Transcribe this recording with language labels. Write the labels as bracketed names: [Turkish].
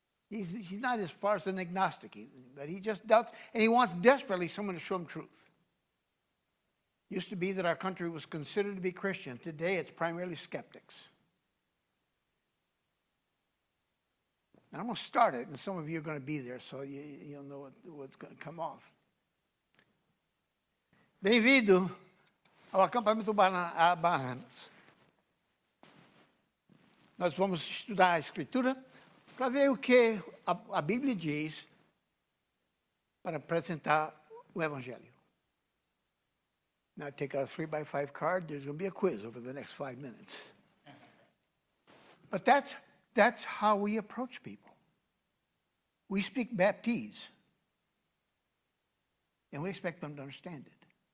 [English] He's not as far as an agnostic, even, but he just doubts, and he wants desperately someone to show him truth. Used to be that our country was considered to be Christian. Today, it's primarily skeptics. And I'm going to start it, and some of you are going to be there, so you'll know what's going to come off. [Portuguese] Bem-vindo ao acampamento Barnabas. Nós vamos estudar a Escritura para ver o que a Bíblia diz para apresentar o Evangelho. [English] Now take out a 3x5 card. There's going to be a quiz over the next 5 minutes. But that's how we approach people. We speak Baptese, and we expect them to understand it.